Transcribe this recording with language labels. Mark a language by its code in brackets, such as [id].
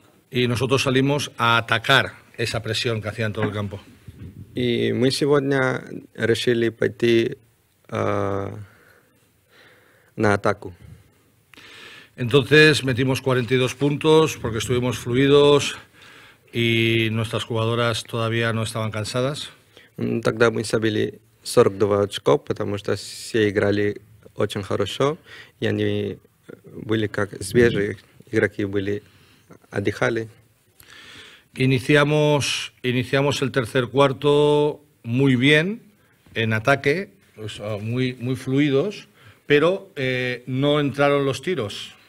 [es] И nosotros salimos a atacar esa presión que hacían todo el campo. [ru] И мы сегодня решили пойти на атаку. [es] Entonces metimos 42 puntos porque estuvimos fluidos y nuestras jugadoras todavía no estaban cansadas. [ru] Тогда мы забили 42 очка, потому что все играли очень хорошо, и они были как свежие, игроки были отдыхали. [es] Iniciamos el tercer cuarto muy bien en ataque, muy fluidos, pero no entraron los tiros.